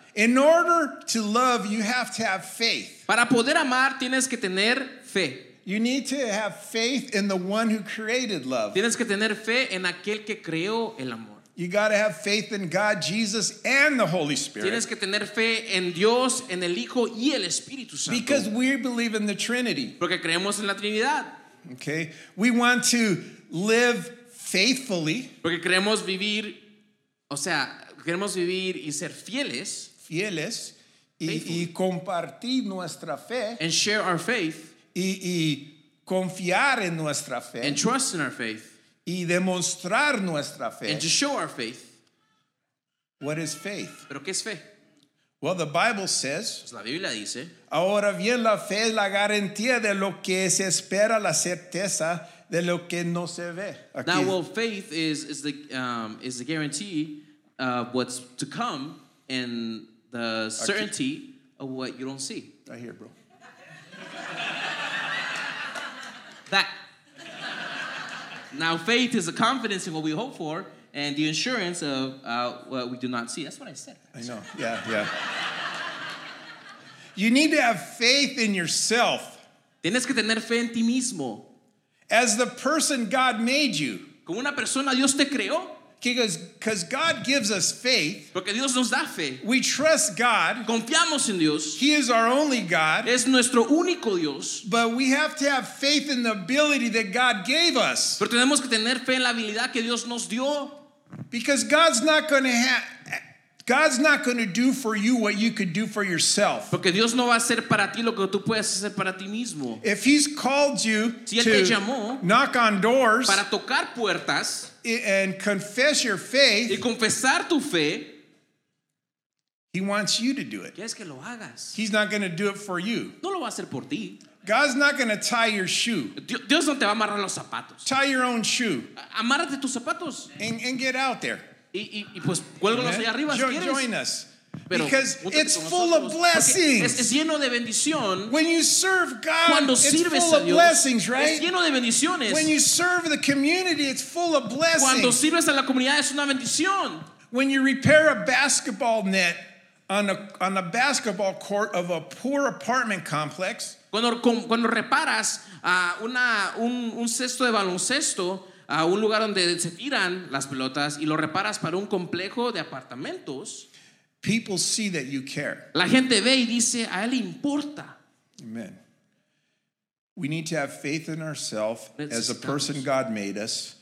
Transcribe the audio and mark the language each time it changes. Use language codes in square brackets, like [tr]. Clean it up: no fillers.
[en] In order to love, you have to have faith. [es] Para poder amar, tienes que tener fe. [en] You need to have faith in the one who created love. [es] Tienes que tener fe en aquel que creó el amor. [en] You got to have faith in God, Jesus, and the Holy Spirit. [es] Tienes que tener fe en Dios, en el Hijo y el Espíritu Santo. [en] Because we believe in the Trinity. [es] Porque creemos en la Trinidad. [en] Okay. We want to live faithfully. [es] Porque queremos vivir, o sea, queremos vivir y ser fieles. Fieles y compartir nuestra fe. [en] And share our faith. [es] Y confiar en nuestra fe. [en] And trust in our faith. [es] Y demostrar nuestra fe. [en] And to show our faith. What is faith? [es] ¿Pero qué es fe? [en] Well, the Bible says. [es] Pues la Biblia dice. Ahora bien, la fe es la garantía de lo que se espera, la certeza de lo que no se ve. Aquí. [en] Now, well, faith is the guarantee of what's to come and the certainty of what you don't see. Right here, bro. That. Now faith is the confidence in what we hope for and the assurance of what we do not see. That's what I said. I know. Yeah, yeah. You need to have faith in yourself. [es] Tienes que tener fe en ti mismo. [en] As the person God made you. [es] Como una persona Dios te creó. [en] Because God gives us faith. [es] Porque Dios nos da fe. [en] We trust God. [es] Confiamos en Dios. [en] He is our only God. [es] Es nuestro único Dios. [en] But we have to have faith in the ability that God gave us. [es] Pero tenemos que tener fe en la habilidad que Dios nos dio. [en] Because God's not going to do for you what you could do for yourself. [es] Porque Dios no va a hacer para ti lo que tú puedes hacer para ti mismo. [en] If he's called you [es] si él [en] to [es] te llamó [en] knock on doors [es] para tocar puertas [en] and confess your faith, [es] y confesar tu fe, [en] he wants you to do it. [es] ¿Quieres que lo hagas? [en] He's not going to do it for you. [es] No lo va a hacer por ti. [en] God's not going to tie your shoe. [es] Dios no te va a amarrar los zapatos. [en] Tie your own shoe. [es] Amárrate tus zapatos. [en] And get out there. [es] Y pues cuélgalos allá arriba si quieres. [en] Join us. Because it's full of blessings. [es] Es lleno de bendición. [en] When you serve God, it's full of blessings, right? [es] Es lleno de bendiciones. [en] When you serve the community, it's full of blessings. [es] Cuando sirves a la comunidad, es una bendición. [en] When you repair a basketball net on a basketball court of a poor apartment complex, [es] cuando reparas un cesto de baloncesto a un lugar donde se tiran las pelotas y lo reparas para un complejo de apartamentos, [en] people see that you care. [es] La gente ve y dice, a él importa. [en] Amen. We need to have faith in ourselves as a person God made us.